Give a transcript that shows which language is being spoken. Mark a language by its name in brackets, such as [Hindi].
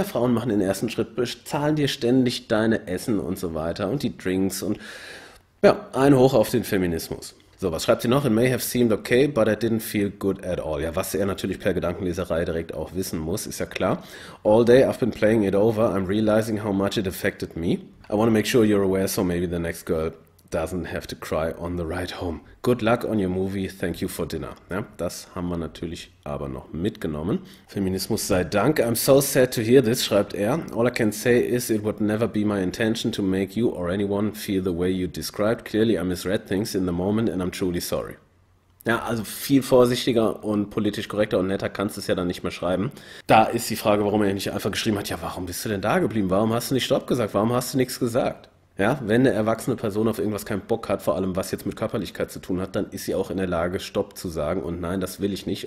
[German] Ja, Frauen machen den ersten Schritt, bezahlen dir ständig deine Essen und so weiter und die Drinks und ja, ein Hoch auf den Feminismus. So, was schreibt sie noch? [English] It may have seemed okay, but I didn't feel good at all. [German] Ja, was er natürlich per Gedankenleserei direkt auch wissen muss, ist ja klar. [English] All day I've been playing it over. I'm realizing how much it affected me. I want to make sure you're aware, so maybe the next girl doesn't have to cry on the ride home. Good luck on your movie, thank you for dinner. [German] Ja, das haben wir natürlich aber noch mitgenommen. Feminismus sei Dank. [English] I'm so sad to hear this, [German] schreibt er. [English] All I can say is it would never be my intention to make you or anyone feel the way you described. Clearly I misread things in the moment and I'm truly sorry. [German] Ja, also viel vorsichtiger und politisch korrekter und netter kannst du es ja dann nicht mehr schreiben. Da ist die Frage, warum er nicht einfach geschrieben hat, ja, warum bist du denn da geblieben? Warum hast du nicht Stopp gesagt? Warum hast du nichts gesagt? Ja, wenn eine erwachsene Person auf irgendwas keinen Bock hat, vor allem was jetzt mit Körperlichkeit zu tun hat, dann ist sie auch in der Lage, Stopp zu sagen und nein, das will ich nicht.